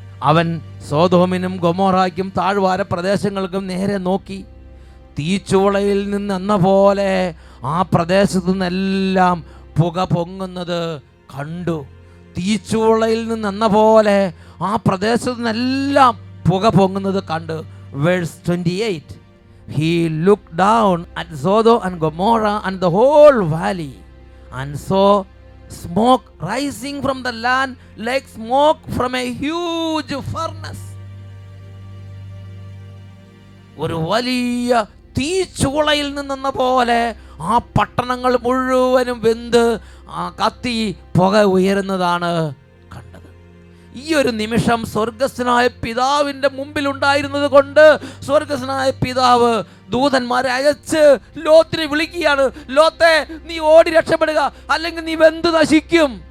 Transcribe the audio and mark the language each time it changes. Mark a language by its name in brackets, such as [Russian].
[Malayalam] അവൻ സോദോമിനും ഗൊമോറയ്ക്കും താഴ്വാര പ്രദേശങ്ങൾക്കും നേരെ നോക്കി തീച്ചുവളയിൽ നിന്ന് എന്ന പോലെ ആ പ്രദേശത്തു നിന്നെല്ലാം പുക പൊങ്ങുന്നത് കണ്ടു. തീച്ചുവളയിൽ നിന്ന് എന്ന പോലെ ആ പ്രദേശത്തു നിന്നെല്ലാം പുക പൊങ്ങുന്നത് കണ്ടു. [English] Verse 28. He looked down at Sodom and Gomorrah and the whole valley and saw smoke rising from the land like smoke from a huge furnace. [Malayalam] ഒരു വലിയ തീച്ചുളയിൽ നിന്നെന്ന പോലെ ആ പട്ടണങ്ങൾ മുഴുവനും വെന്ത് ആ കത്തി പുക ഉയരുന്നതാണ് കണ്ടത്. ഈ ഒരു നിമിഷം സ്വർഗസ്ഥനായ പിതാവിൻ്റെ മുമ്പിൽ ഉണ്ടായിരുന്നത് കൊണ്ട് സ്വർഗസ്ഥനായ പിതാവ് ദൂതന്മാരെ അയച്ച് ലോത്തിനെ വിളിക്കുകയാണ്, ലോത്തെ നീ ഓടി രക്ഷപ്പെടുക, അല്ലെങ്കിൽ നീ വെന്ത് നശിക്കും.